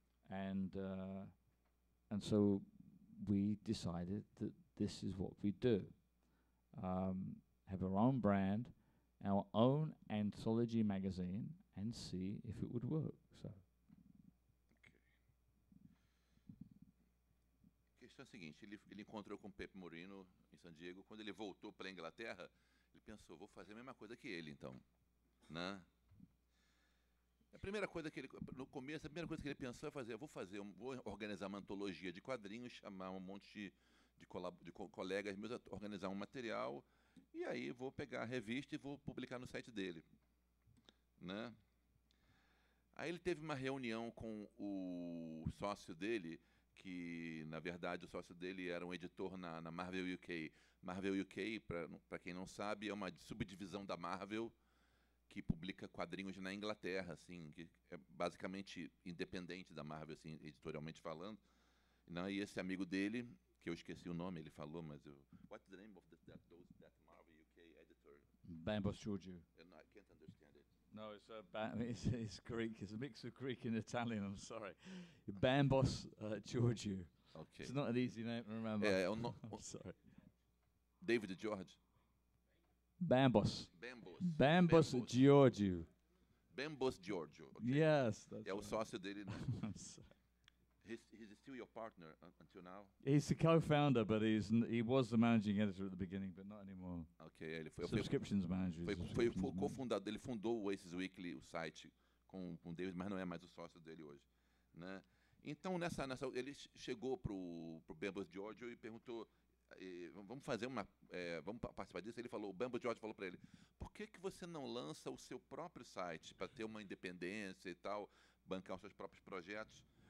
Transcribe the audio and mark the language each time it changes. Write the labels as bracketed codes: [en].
[en] And so we decided that this is what we do. Have our own brand, our own anthology magazine, and see if it would work. So. [pt] A questão é a seguinte, ele encontrou com Pepe Morino em San Diego, quando ele voltou para a Inglaterra, ele pensou, vou fazer a mesma coisa que ele, então. Né? A primeira coisa que ele, no começo, a primeira coisa que ele pensou é fazer, vou organizar uma antologia de quadrinhos, chamar um monte de colegas meus, organizar um material, e aí vou pegar a revista e vou publicar no site dele. Né? Aí ele teve uma reunião com o sócio dele, que, na verdade, o sócio dele era um editor na Marvel UK. Marvel UK, para quem não sabe, é uma subdivisão da Marvel que publica quadrinhos na Inglaterra, assim, que é basicamente independente da Marvel, assim, editorialmente falando. Né? E esse amigo dele, que eu esqueci o nome, ele falou, mas eu... [en] What's the name of that Marvel UK editor? Bambos Giorgio. I can't understand it. No, it's Greek. It's a mix of Greek and Italian, I'm sorry. Bambos Giorgio. Okay. It's not an easy name to remember. I'm sorry. David George? Bambos. Bambos. Bambos Giorgio. Bambos Giorgio. Okay. Yes. That's é [pt] O sócio dele. [en] I'm sorry. He's still your partner until now? He's the co-founder, but he was the managing editor at the beginning, but not anymore. [pt] Okay, ele foi [en] subscriptions manager. [pt] Foi co-fundador, ele fundou o Aces Weekly, o site, com o David, mas não é mais o sócio dele hoje. Né? Então, nessa ele chegou pro Bambos Giorgio e perguntou, vamos fazer uma, vamos participar disso? Ele falou, o Bambos Giorgio falou para ele, por que que você não lança o seu próprio site para ter uma independência e tal, bancar os seus próprios projetos?